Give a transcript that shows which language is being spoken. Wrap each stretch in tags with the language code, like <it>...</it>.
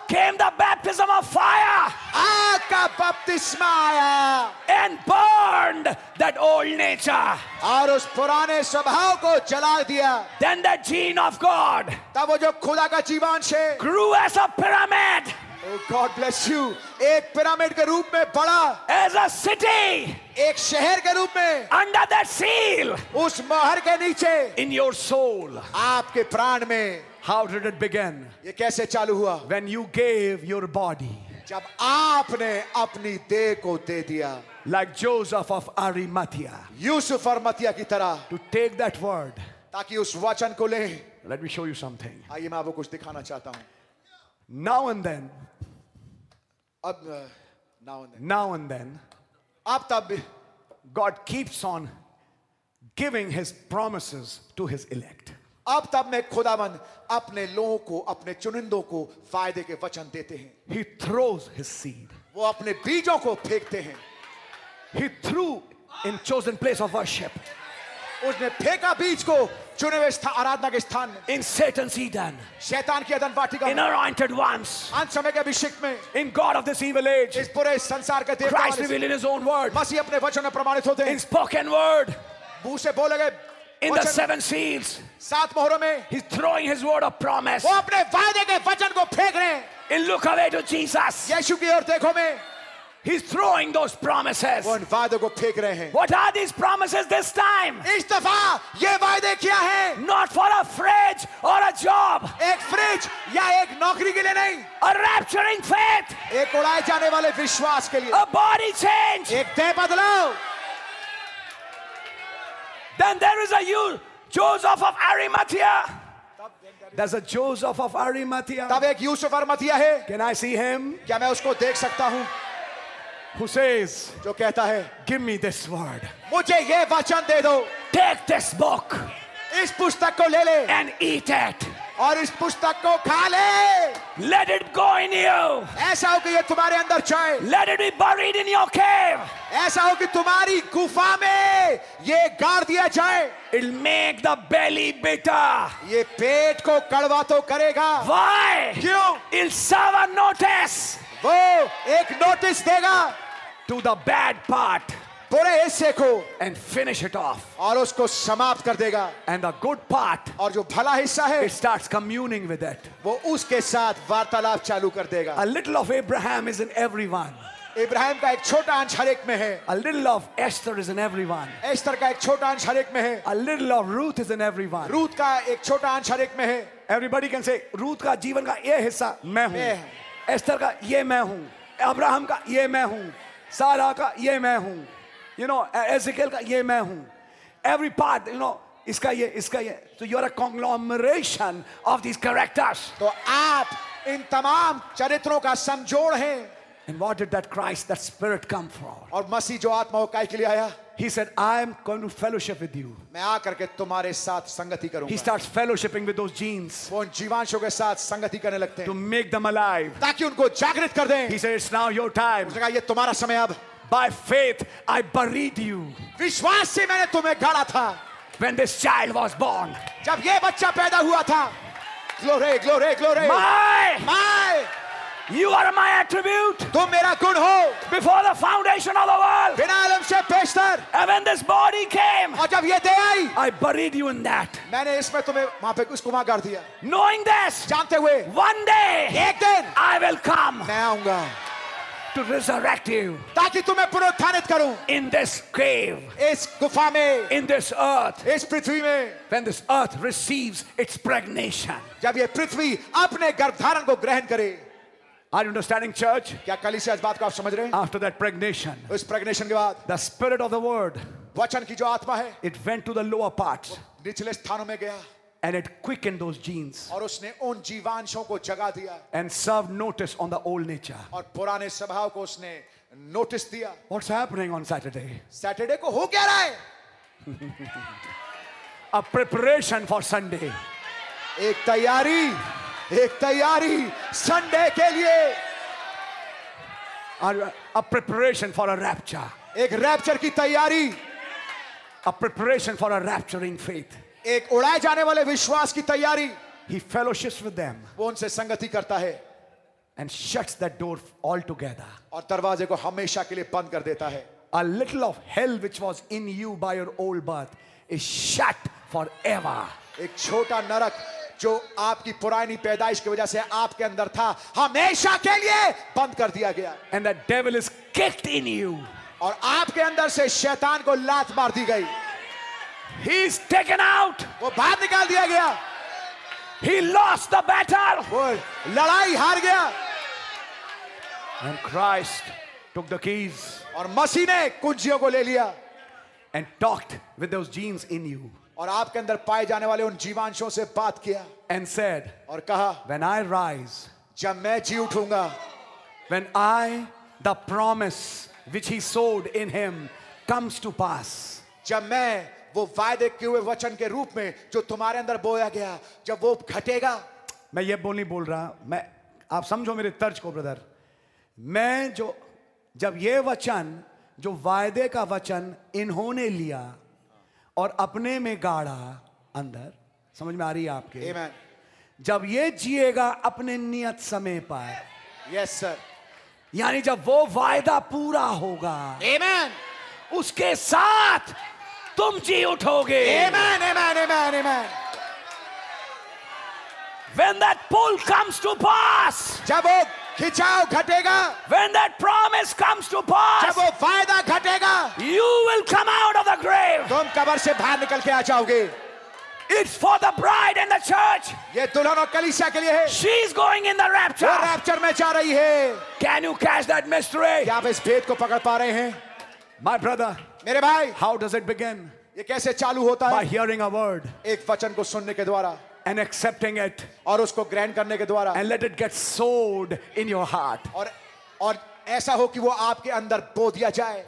<en>came the baptism of fire.</en> <hi>आग का बपतिस्मा आया.</hi> <en>And burned that old nature.</en> <hi>और उस पुराने स्वभाव को जला दिया.</hi> <en>Then the gene of God.</en> <hi>तब वो जो खुदा का जीवांश है.</hi> <en>Grew as a pyramid. Oh God bless you.</en> <hi>एक पिरामिड के रूप में बड़ा.</hi> <en>As a city.</en> <hi>एक शहर के रूप में.</hi> <en>Under that seal.</en> <hi>उस मोहर के नीचे.</hi> <en>In your soul.</en> <hi>आपके प्राण में.</hi> <en>How did it begin?</en> <hi>ये कैसे चालू हुआ?</hi> <en>When you gave your body.</en> <hi>जब आपने अपनी देह को दे दिया.</hi> <en>Like Joseph of Arimathea.</en> <hi>Yusuf Arimathea की तरह.</hi> <en>To take that word.</en> <hi>ताकि उस वचन को ले.</hi> <en>Let me show you something.</en> <hi>आइए मैं आपको कुछ दिखाना चाहता हूँ.</hi> <en>Now and then. अब now and then. Now and then.</en> <hi>आप तब.</hi> <en>God keeps on giving His promises to His elect.</en> <hi>अब तब मैं खुदावन अपने लोगों को अपने चुनिंदों को फायदे के वचन देते हैं.</hi> <en>He throws his seed.</en> <hi>वो अपने बीजों को फेंकते हैं.</hi> <en>He threw in chosen place of worship.</en> <hi>उसने फेंका बीज को चुने हुए स्थान आराधना के स्थान में.</hi> <en>In Satan's Eden.</en> <hi>शैतान की अदन वाटिका.</hi> <en>In anointed ones.</en> <hi>अंत समय के अभिषेक में.</hi> <en>In God of this evil age.</en> <hi>इस पूरे संसार के देवता.</hi> <en>Christ revealed in His own word.</en> <hi>मसीह अपने वचन में प्रमाणित होते</hi> <en>हैं. In spoken word.</en> <hi>मुंह से बोले गए.</hi> <en>In the seven seals.</en> <hi>सात मोहरों में.</hi> <en>He's throwing His word of promise.</en> <hi>वो अपने वादे के वचन को फेंक रहे हैं.</hi> <en>In look away to Jesus.</en> <hi>यीशु की ओर देखो में.</hi> <en>He's throwing those promises.</en> <hi>वो उन वादों को फेंक रहे हैं.</hi> <en>What are these promises this time?</en> <hi>इस दफा ये वादे क्या हैं?</hi> <en>Not for a fridge or a job.</en> <hi>एक फ्रिज या एक नौकरी के लिए नहीं.</hi> <en>A rapturing faith.</en> <hi>एक उड़ाए जाने वाले विश्वास के लिए.</hi> <en>A body change.</en> <hi>एक देह बदलाव.</hi> <en>Then there is a you, Joseph of Arimathea. There's a Joseph of Arimathea.</en> <hi>तब एक यूसुफ अरिमथिया है.</hi> <en>Can I see him?</en> <hi>क्या मैं उसको देख सकता हूँ?</hi> <en>Who says?</en> <hi>जो कहता है.</hi> <en>Give me this word.</en> <hi>मुझे ये वचन दे दो.</hi> <en>Take this book.</en> <hi>इस पुस्तक को ले ले.</hi> <en>And eat it.</en> <hi>और इस पुस्तक को खा ले.</hi> <en>Let it go in you.</en> <hi>ऐसा हो कि ये तुम्हारे अंदर जाए.</hi> <en>Let it be buried in your cave.</en> <hi>ऐसा हो कि तुम्हारी गुफा में ये गाड़ दिया जाए.</hi> <en>It'll make the belly bitter.</en> <hi>ये पेट को कड़वा तो करेगा.</hi> <en>Why?</en> <hi>क्यों?</hi> <en>It'll serve a notice.</en> <hi>वो एक नोटिस देगा.</hi> <en>To the bad part.</en> <hi>पूरे हिस्से को.</hi> <en>And finish it off.</en> <hi>और उसको समाप्त कर देगा.</hi> <en>And the good part.</en> <hi>और जो भला हिस्सा है.</hi> <en>It starts communing with it.</en> <hi>वो उसके साथ वार्तालाप चालू कर देगा.</hi> <en>A little of Abraham is in everyone.</en> <hi>Ibrahim का एक छोटा अंश हर एक में है.</hi> <en>A little of Esther is in everyone.</en> <hi>Esther का एक छोटा अंश हर एक में है.</hi> <en>A little of Ruth is in everyone.</en> <hi>Ruth का एक छोटा अंश हर एक में है.</hi> <en>Everybody can say,</en> <hi>रूथ का जीवन का ये हिस्सा मैं हूँ. एस्तर का ये मैं हूँ. अब्राहम का ये मैं हूँ. सारा का ये मैं हूँ.</hi> <en>you know</en> <hi>एज़ेकेल का ये मैं हूँ.</hi> <en>every part you know</en> <hi>इसका ये.</hi> <en>So you are a conglomeration of these characters.</en> <hi>तो आप इन तमाम चरित्रों का समजोड़ हैं.</hi> <en>And what did that Christ, that Spirit come from?</en> <hi>और मसीह जो आत्मा हो काहे के लिए आया?</hi> <en>He said, "I am going to fellowship with you."</en> <hi>मैं आकर के तुम्हारे साथ संगति करूँगा.</hi> <en>He starts fellowshipping with those genes.</en> <hi>वो उन जीवांशों के साथ संगति करने लगते हैं.</hi> <en>To make them alive.</en> <hi>ताकि उनको जागृत कर दें.</hi> <en>He said, "It's now your time."</en> <hi>उसने कहा, ये तुम्हारा समय अब.</hi> <en>By faith, I buried you.</en> <hi>विश्वास से मैंने तुम्हें गाड़ा था.</hi> <en>When this child was born.</en> <hi>जब ये बच्चा पैदा हुआ था.</hi> <en>Glory, glory, glory. My. You are my attribute.</en> <hi>तुम मेरा गुण हो.</hi> <en>Before the foundation of the world.</en> <hi>बिना आलम से पेशतर.</hi> <en>And when this body came.</en> <hi>और जब ये दे आई.</hi> <en>I buried you in that.</en> <hi>मैंने इसमें तुम्हें वहाँ पे उसको वहाँ गाड़ दिया.</hi> <en>Knowing this.</en> <hi>जानते हुए.</hi> <en>One day.</en> <hi>एक दिन.</hi> <en>I will come.</en> <hi>मैं आऊँगा.</hi> <en>To resurrect you.</en> <hi>ताकि तुम्हें पुनरुत्थानित करूँ.</hi> <en>In this cave.</en> <hi>इस गुफा में.</hi> <en>In this earth.</en> <hi>इस पृथ्वी में.</hi> <en>When this earth receives its pregnation.</en> <hi>जब ये पृथ्वी अपने गर्भधारण को ग्रहण करे.</hi> <en>Are you understanding, church?</en> <hi>क्या कलीसिया इस बात को आप समझ रहे हैं?</hi> <en>After that pregnation,</en> <hi>उस प्रेग्नेशन के बाद,</hi> <en>the spirit of the word,</en> <hi>वचन की जो आत्मा है,</hi> <en>it went to the lower parts,</en> <hi>निचले स्थानों में गया,</hi> <en>and it quickened those genes,</en> <hi>और उसने उन जीवांशों को जगा दिया,</hi> <en>and served notice on the old nature,</en> <hi>और पुराने स्वभाव को उसने नोटिस दिया.</hi> <en>What's happening on Saturday?</en> <hi>Saturday को हो क्या रहा है?</hi> <en>A preparation for Sunday.</en> <hi>एक तैयारी संडे के लिए.</hi> <en>A preparation for a rapture.</en> <hi>एक रैप्चर की तैयारी.</hi> <en>A preparation for a rapturing faith.</en> <hi>एक उड़ाए जाने वाले विश्वास की तैयारी.</hi> <en>He fellowships with them.</en> <hi>वो उनसे संगति करता है.</hi> <en>And shuts that door altogether.</en> <hi>और दरवाजे को हमेशा के लिए बंद कर देता है.</hi> <en>A little of hell which was in you by your old birth is shut forever.</en> <hi>एक छोटा नरक जो आपकी पुरानी पैदाइश की वजह से आपके अंदर था हमेशा के लिए बंद कर दिया गया.</hi> <en>And the devil is kicked in you.</en> <hi>और आपके अंदर से शैतान को लात मार दी गई.</hi> <en>He is taken out.</en> <hi>वो बाहर निकाल दिया गया.</hi> <en>He lost the battle.</en> <hi>वो लड़ाई हार गया.</hi> <en>And Christ took the keys.</en> <hi>और मसीह ने कुंजियों को ले लिया.</hi> <en>And talked with those genes in you.</en> <hi>और आपके अंदर पाए जाने वाले उन जीवांशों से बात किया.</hi> <en>And said.</en> <hi>और कहा.</hi> <en>When I rise.</en> <hi>जब मैं जी उठूंगा.</hi> <en>When I, the promise which He sowed in Him, comes to pass.</en> <hi>जब मैं वो वायदे किए हुए वचन के रूप में जो तुम्हारे अंदर बोया गया जब वो घटेगा. मैं ये बोल नहीं बोल रहा. मैं आप समझो मेरे तर्ज को ब्रदर. मैं जो जब ये वचन जो वायदे का वचन इन्होंने लिया और अपने में गाढ़ा अंदर. समझ में आ रही है आपके.</hi> <en>Amen.</en> <hi>जब ये जिएगा अपने नियत समय पर.</hi> <en>Yes sir.</en> <hi>यानी जब वो वायदा पूरा होगा.</hi> <en>Amen.</en> <hi>उसके साथ तुम जी उठोगे.</hi> <en>Amen, amen, amen, amen. When that pull comes to pass,</en> <hi>जब वो खिंचाव घटेगा.</hi> <en>When that promise comes to pass,</en> <hi>जब वो फायदा घटेगा.</hi> <en>You will come out of the grave.</en> <hi>तुम कब्र से बाहर निकल के आ जाओगे.</hi> <en>It's for the bride and the church.</en> <hi>ये दुल्हन और कलीसिया के लिए है.</hi> <en>She's going in the rapture.</en> <hi>वो रैप्चर में जा रही है.</hi> <en>Can you catch that mystery?</en> <hi>क्या आप इस भेद को पकड़ पा रहे हैं?</hi> <en>My brother.</en> <hi>मेरे भाई.</hi> <en>How does it begin?</en> <hi>ये कैसे चालू होता है?</hi> <en>By hearing a word.</en> <hi>एक वचन को सुनने के द्वारा.</hi> <en>And accepting it.</en> <hi>और उसको ग्रहण करने के द्वारा.</hi> <en>And let it get sowed in your heart.</en> <hi>और ऐसा हो कि वो आपके अंदर बो दिया जाए.</hi>